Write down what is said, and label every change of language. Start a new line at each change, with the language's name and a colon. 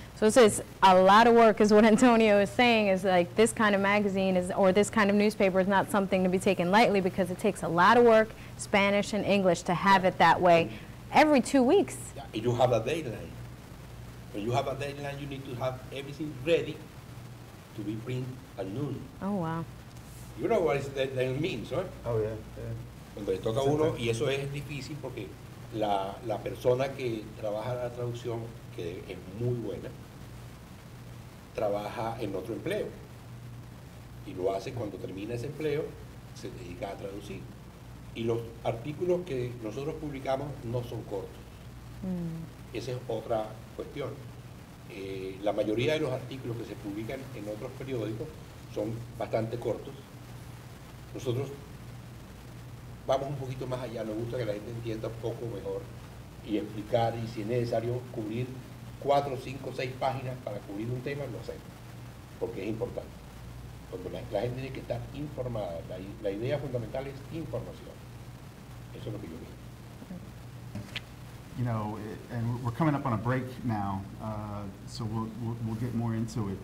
English: So this is a lot of work, is what Antonio is saying, is like this kind of magazine is, or this kind of newspaper is not something to be taken lightly, because it takes a lot of work, Spanish and English, to have it that way. Every 2 weeks. And you have a deadline. When you have a deadline, you need to have everything ready to be printed at noon. Oh, wow. You know what deadline means, right? Oh, yeah.
Spanish: Cuando le toca uno, y eso es difícil porque la persona que trabaja la traducción, que es muy buena, trabaja en otro empleo. Y lo hace cuando termina ese empleo, se dedica a traducir. Y los artículos que nosotros publicamos no son cortos. Esa es otra cuestión. La mayoría de los artículos que se publican en otros periódicos son bastante cortos. Nosotros vamos un poquito más allá, nos gusta que la gente entienda un poco mejor y explicar, y si es necesario cubrir 4, 5, 6 páginas para cubrir un tema, lo hacemos. porque es importante. Cuando la gente tiene que estar informada, la idea fundamental es información. Eso es lo que yo digo.
English: You know, and we're coming up on a break now, so we'll get more into it.